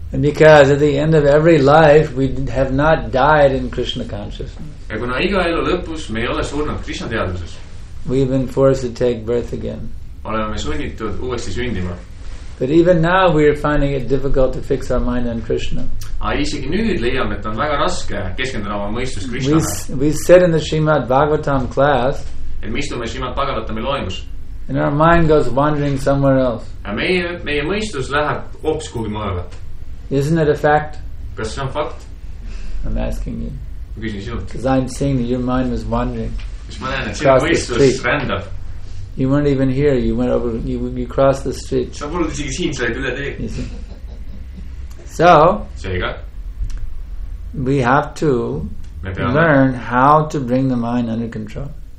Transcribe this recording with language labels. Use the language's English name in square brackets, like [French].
[English] And because at the end of every life, we have not died in Krishna consciousness. [Estonian] Ja kuna iga elu lõpus, me ei ole surnud Krishna teaduses. [English] We have been forced to take birth again. [Estonian] Oleme sunnitud uuesti sündima. [English] But even now we are finding it difficult to fix our mind on Krishna. [Estonian] Isegi nüüd leiame, et on väga raske keskenduda oma mõistus Krishnale. [English] We sit in the Srimad Bhagavatam class. [Estonian] Et me istume Srimad Bhagavatami loengus. [English] And our mind goes wandering somewhere else. [Estonian] Ja meie mõistus läheb hoopis kuhugi mujale. [English] Isn't it a fact? [Estonian] Kas see on fakt? [English] I'm asking you. [Estonian] Küsin sinult. [English] Because I'm seeing that your mind was wandering. [Estonian] Mis ma näen, et sinu mõistus rändab. [English] You weren't even here. You went over. You crossed the street. [Estonian] Sa polnud isegi siin, sa olid üle tee. [English] So. [Estonian] Seega. [English] We have to learn how to bring the mind under control.